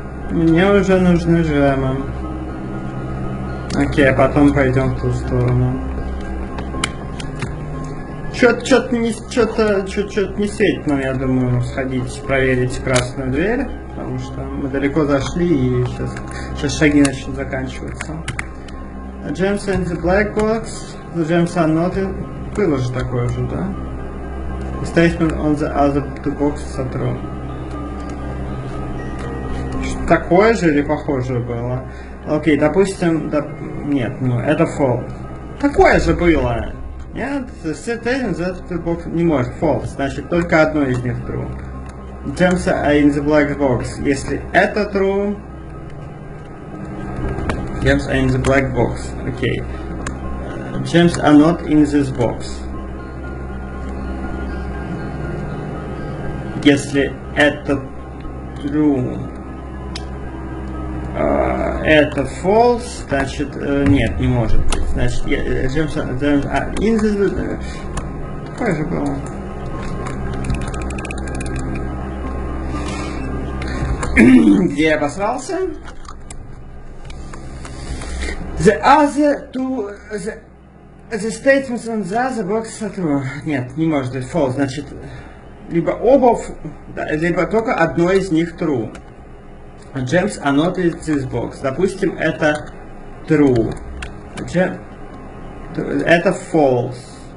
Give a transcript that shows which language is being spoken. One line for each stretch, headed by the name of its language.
Russian: Мне уже нужны джемы. Окей, а потом пойдем в ту сторону. Чё-то не сеть, но я думаю сходить проверить красную дверь, потому что мы далеко зашли и сейчас шаги начнут заканчиваться.
English: Gems and the black box, the gems are not in...
Russian: Было же такое же, да?
English: Statement on the other two boxes at room.
Russian: Что-то такое же или похожее было? Окей, допустим, да... Нет, ну, это false. Такое же было! Нет,
English: the statement on the other box
Russian: не может,
English: false.
Russian: Значит, только одно из них true.
English: Gems are in the black box.
Russian: Если это
English: true... Gems are in the black box.
Russian: Окей.
English: Gems are not in this box.
Russian: Если это true, это false, значит, нет, не может быть. Значит,
English: gems are in this...
Russian: Какое же было? Где я обосрался?
English: The other two... The statements on the other box are true.
Russian: Нет, не может быть false, значит... Либо оба, да, либо только одно из них true.
English: Gems are not in this box.
Russian: Допустим, это
English: true.
Russian: Это false.